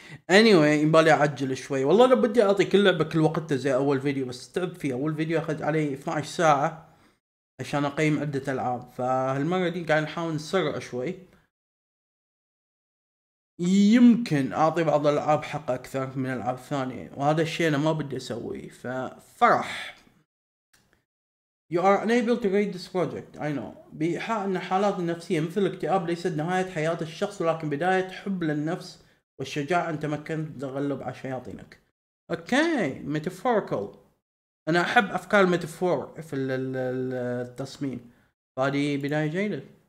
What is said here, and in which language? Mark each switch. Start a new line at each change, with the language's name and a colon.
Arabic: anyway يبالي اعجل شوي والله، لو بدي اعطي كل لعبه كل وقتها زي اول فيديو، بس تعب فيه. اول فيديو اخذ علي 12 ساعه عشان اقيم عده العاب، فهالمره دي قاعد نحاول نسرع شوي. يمكن اعطي بعض الالعاب حق اكثر من الالعاب الثانيه، وهذا الشيء انا ما بدي اسويه. ففرح
English: you are unable to read this project I know.
Arabic: بإيحاء ان الحالات النفسيه مثل الاكتئاب ليست نهايه حياه الشخص، ولكن بدايه حب للنفس والشجاعه ان تمكنت تغلب على شياطينك. اوكي ميتافوركال، انا احب افكار الميتافور في التصميم، فهذه بدايه جيده.